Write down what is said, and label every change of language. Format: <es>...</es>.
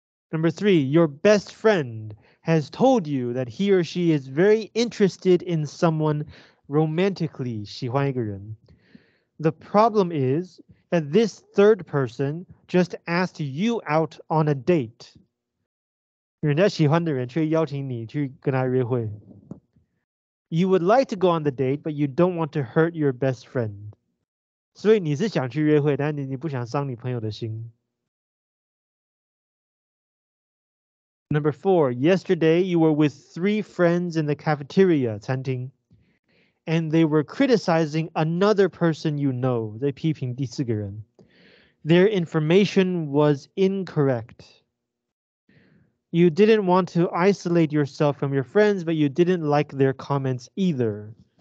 <en>Number three, your best friend has told you that he or she is very interested in someone romantically.</en> <zh>喜欢一个人.</zh> <en>The problem is that this third person just asked you out on a date.</en> <zh>人家喜欢的人却邀请你去跟他约会.</zh> <en>You would like to go on the date, but you don't want to hurt your best friend.</en> <zh>所以你是想去约会，但你不想伤你朋友的心。</zh> <en>Number four, yesterday you were with three friends in the cafeteria,</en> <zh>餐厅,</zh> <en>and they were criticizing another person you know,</en> <zh>在批评第四个人.</zh> <en>Their information was incorrect. You didn't want to isolate yourself from your friends, but you didn't like their comments either.</en>